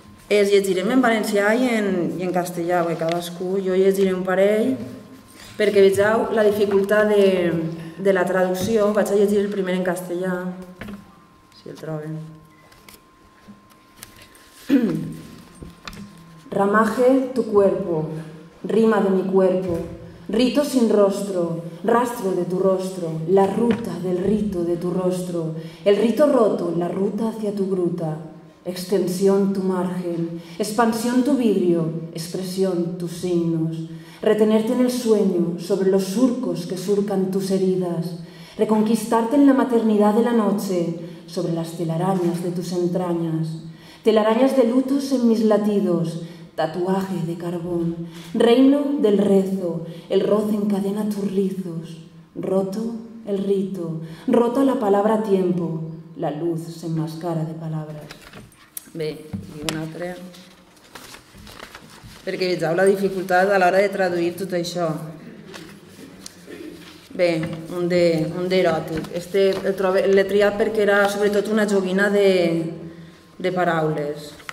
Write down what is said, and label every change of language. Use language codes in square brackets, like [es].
[ca] Es llegirem en valencià i en castellà, bé, cadascú. Jo llegiré un parell, perquè vegeu la dificultat de la traducció. Vaig a llegir el primer en castellà, si el troben. [es] Ramaje tu cuerpo, rima de mi cuerpo, rito sin rostro, rastro de tu rostro, la ruta del rito de tu rostro, el rito roto, la ruta hacia tu gruta. Extensión tu margen, expansión tu vidrio, expresión tus signos. Retenerte en el sueño, sobre los surcos que surcan tus heridas. Reconquistarte en la maternidad de la noche, sobre las telarañas de tus entrañas. Telarañas de lutos en mis latidos, tatuaje de carbón. Reino del rezo, el roce encadena tus rizos. Roto el rito, rota la palabra a tiempo, la luz se enmascara de palabras. [ca] Bé, i un altre. Perquè veieu la dificultat a l'hora de traduir tot això. Bé, un de eròtic. Este l'he triat perquè era sobretot una joguina de paraules.